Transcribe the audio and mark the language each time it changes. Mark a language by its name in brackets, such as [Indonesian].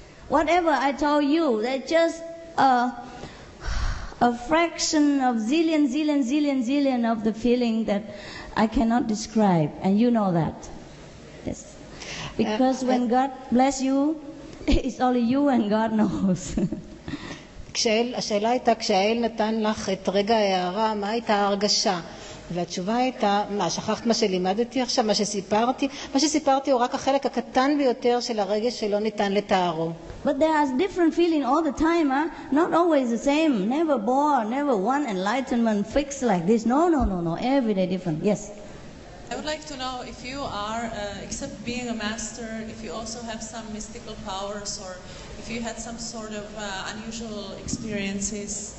[English] Whatever I told you, that's just a fraction of zillion of the feeling that I cannot describe. And you know that. Yes. Because when God bless you, it's only you and God knows. [Hebrew] השאלה הייתה, כשהאל נתן לך את רגע ההערה, מה הייתה ההרגשה? והתשובה הייתה, מה, שכחת מה שלימדתי עכשיו, מה שסיפרתי? מה שסיפרתי הוא רק החלק הקטן ביותר של הרגש שלא ניתן לתארו. [English] But there are different feelings all the time, huh? Not always the same. Never bore, never one enlightenment fixed like this. No. Every day different. Yes. I would like to know if you are, except being a master, if you also have some mystical powers or if you had some sort of unusual experiences.